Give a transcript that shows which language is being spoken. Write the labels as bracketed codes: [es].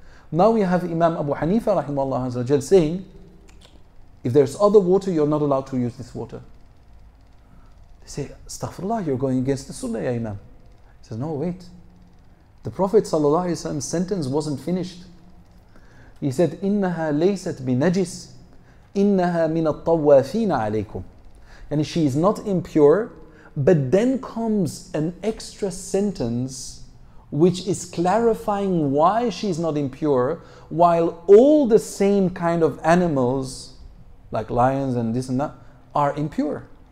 [en] Now we have Imam Abu Hanifa rahimahullah saying, if there's other water, you're not allowed to use this water. Say, astaghfirullah, you're going against the sunnah, ya Imam. He says, no, wait. The Prophet ﷺ's sentence wasn't finished. He said, [ar] إِنَّهَا لَيْسَتْ بِنَجِسِ إِنَّهَا مِنَ الطَّوَّافِينَ عَلَيْكُمْ. [en] And she is not impure, but then comes an extra sentence which is clarifying why she's not impure, while all the same kind of animals, like lions and this and that, are impure.